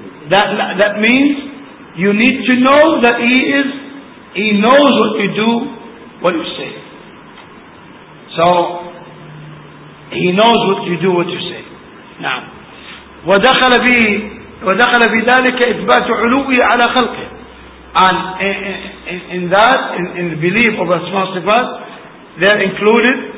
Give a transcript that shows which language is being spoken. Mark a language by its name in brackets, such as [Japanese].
[English] That means you need to know that he knows what you do, what you say. So he knows what you do, what you say. [Arabic] Now, ودخل في ذلك إثبات علوه على خلقه. [English] And in the belief of Asma Sifat, they are included.